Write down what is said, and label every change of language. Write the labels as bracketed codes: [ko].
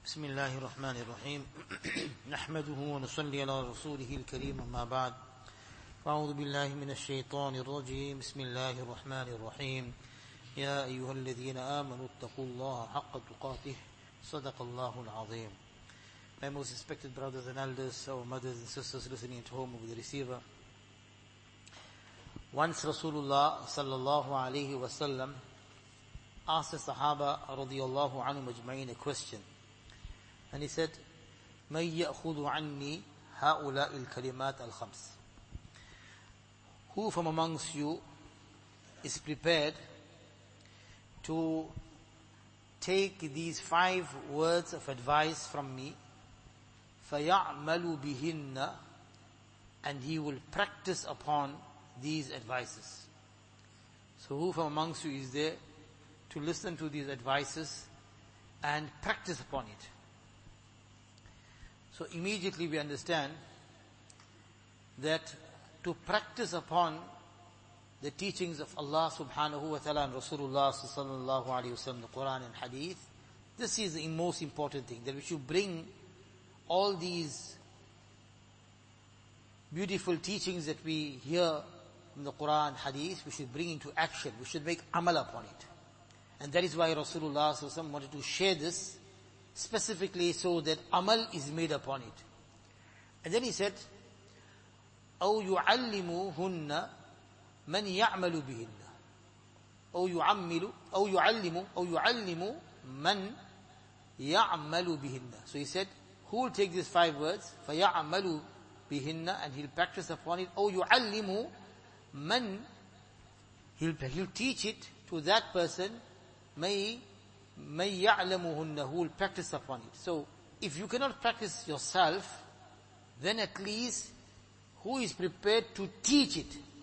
[ar] بسم الله الرحمن الرحيم نحمده ونصلي على رسوله الكريم ما بعد فأعوذ بالله من الشيطان الرجيم بسم الله الرحمن الرحيم يا أيها الذين آمنوا اتقوا الله حق تقاته صدق الله العظيم. [en] My most respected brothers and elders, our mothers and sisters listening at home over the receiver, once Rasulullah [ar] صلى الله عليه وسلم [en] asked the Sahaba [ar] رضي الله عنهم أجمعين [en] a question. And he said, [ar] مَنْ يَأْخُذُ عَنِّي هَؤُلَاءِ الْكَلِمَاتِ الْخَمْسِ. [en] Who from amongst you is prepared to take these five words of advice from me, [ar] فَيَعْمَلُ بِهِنَّ, [en] and he will practice upon these advices. So who from amongst you is there to listen to these advices and practice upon it? So immediately we understand that to practice upon the teachings of Allah subhanahu wa ta'ala and Rasulullah sallallahu alayhi wa sallam, the Quran and Hadith, this is the most important thing, that we should bring all these beautiful teachings that we hear in the Quran and Hadith, we should bring into action, we should make amal upon it. And that is why Rasulullah sallallahu alayhi wa sallam wanted to share this specifically so that amal is made upon it. And then he said, [ar] أَوْ يُعَلِّمُهُنَّ مَنْ يَعْمَلُ بِهِنَّ أَوْ يُعَلِّمُ مَنْ يَعْمَلُ بِهِنَّ. [en] So he said, who will take these five words? [ar] فَيَعْمَلُ بِهِنَّ, [en] and he'll practice upon it. [ar] أَوْ يُعَلِّمُ مَنْ, [en] he'll teach it to that person, [ar] مَنْ يَعْلَمُهُنَّ, [en] who will practice upon it. So, if you cannot practice yourself, then at least, who is prepared to teach it?